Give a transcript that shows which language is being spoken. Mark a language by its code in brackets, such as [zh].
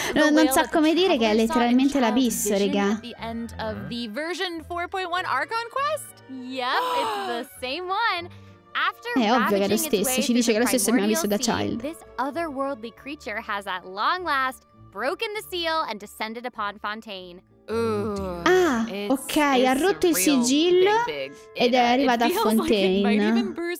[it] Non so come dire che è letteralmente l'abisso, raga. [en] The end of the version 4.1 Archon quest? Yep, it's the same one. After [it] è ovvio che è lo stesso. Ci dice che è lo stesso abbiamo visto da Child. [en] This otherworldly creature has at long last broken the seal and descended upon Fontaine. [it] Ah, ok, ha rotto il sigillo ed è arrivata a Fontaine.